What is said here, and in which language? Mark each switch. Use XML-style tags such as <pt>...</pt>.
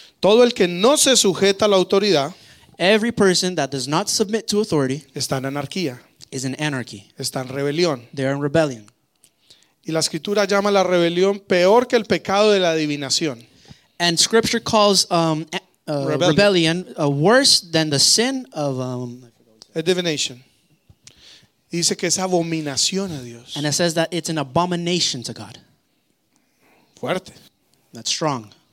<es>Todo el que no se sujeta a la autoridad.</es> <en>Every person that does not submit to authority.</en> <es>Está en anarquía.</es> <en>Is in anarchy.</en> <es>Está en rebelión.</es> <en>They are in rebellion.</en> <es>Y la escritura llama la rebelión peor que el pecado de la adivinación.</es> <en>And scripture calls rebellion worse than the sin of</en> <es>divination. Dice que es abominación a Dios.</es> <en>And it says that it's an abomination to God.</en> <es>Fuerte.</es> <en>That's strong.</en>